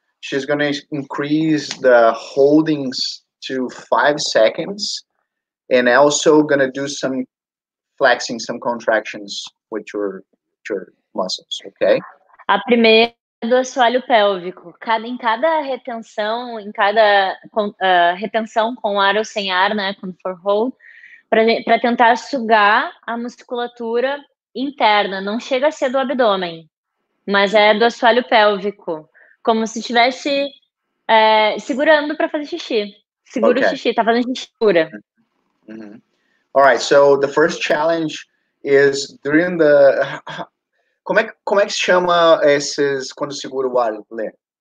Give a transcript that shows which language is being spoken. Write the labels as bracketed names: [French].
[English] She's gonna increase the holdings to 5 seconds, and also gonna do some flexing, some contractions with your muscles. Okay. [Portuguese] A primeira é do assoalho pélvico. Em cada retenção com ar ou sem ar, né? Quando for hold, para tentar sugar a musculatura interna, não chega a ser do abdômen, mas é do assoalho pélvico, como se estivesse segurando para fazer xixi. Segura, okay. O xixi, tá fazendo xixi pura. Mm-hmm. [English] All right, so the first challenge is during the... [Portuguese] Como é que se chama esses quando segura o ar, Lê?